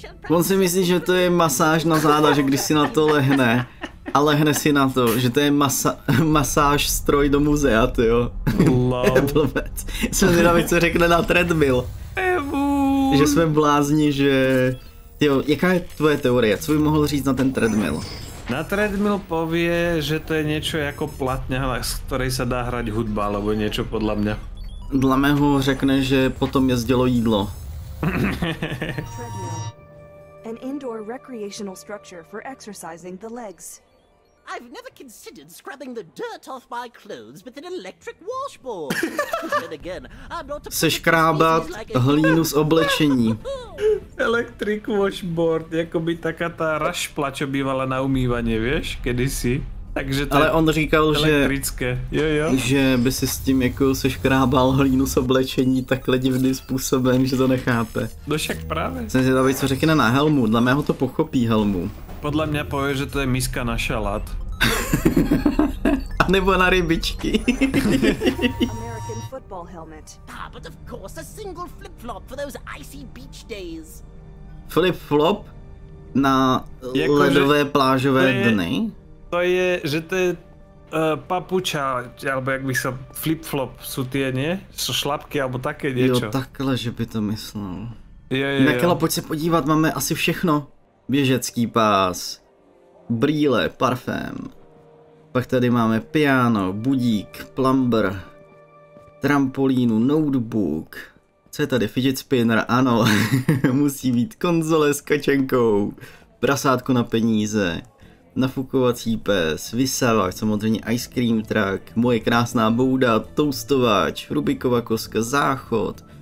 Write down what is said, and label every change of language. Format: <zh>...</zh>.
<cs>On si myslí, že to je masáž na záda, že když si na to lehne. A lehne si na to, že to je masáž stroj do muzea, ty jo. Wow. Blbec. Jsem zvědavý, co řekne na treadmill. Že jsme blázni, že... Jo, jaká je tvoje teorie? Co by mohl říct na ten treadmill?</cs> <sk>Na treadmill povie, že to je něco jako platňa, z ktorej sa dá hrať hudba, alebo niečo podľa mňa.</sk> <cs>Dla mého řekne, že potom jezdilo jídlo.</cs> <en>An indoor recreational structure for exercising the legs. I've never considered scrubbing the dirt off my clothes with an electric washboard. Then again, I'm not a</en> <cs>seškrábat hlínu z oblečení.</cs> <sk>Electric washboard, jako by taká ta rašpla, čo bývala na umývanie, vieš, kedysi. Takže to</sk> <cs>ale on říkal, elektrické. Jo. Že by si s tím jako seškrábal hlínu z oblečení takhle divným způsobem, že to nechápe. No však právě. Jsem zvědavý, co řekne na helmu, dle mého to pochopí helmu. Podle mě pově, že to je miska na šalát. A nebo na rybičky.</cs> <en>American football helmet. Ah, but of course a single flip-flop for those icy beach days.</en> <cs>Flip-flop na jako, ledové že... plážové je... dny? To je, že to je</cs> <sk>papuča, alebo</sk> <cs>jak bych se flip-flop jsou ty, ne? Jsou šlapky, alebo také něco. Jo, takhle, že by to myslel. Jo. Nekela, pojď se podívat, máme asi všechno. Běžecký pás, brýle, parfém, pak tady máme piano, budík, plumber, trampolínu, notebook, co je tady, fidget spinner, ano, musí být konzole s kačenkou, prasátko na peníze, nafukovací pes, vysavač, samozřejmě ice cream truck, moje krásná bouda, toustováč, Rubikova kostka, záchod,</cs>